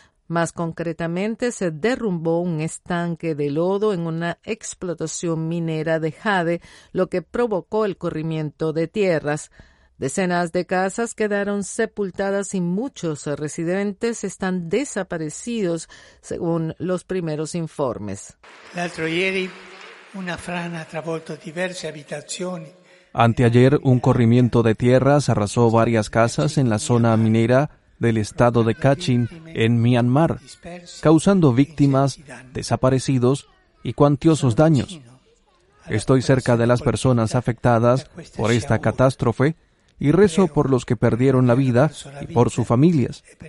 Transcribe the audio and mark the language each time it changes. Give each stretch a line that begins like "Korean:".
Spanish: Más concretamente, se derrumbó un estanque de lodo en una explotación minera de jade, lo que provocó el corrimiento de tierras. Decenas de casas quedaron sepultadas y muchos residentes están desaparecidos, según los primeros informes.
Italian: L'altro ieri, una frana ha travolto diverse abitazioni.
Spanish: Anteayer, un corrimiento de tierras arrasó varias casas en la zona minera del estado de Kachin, en Myanmar, causando víctimas, desaparecidos y cuantiosos daños. Estoy cerca de las personas afectadas por esta catástrofe y rezo por los que perdieron la vida y por sus familias.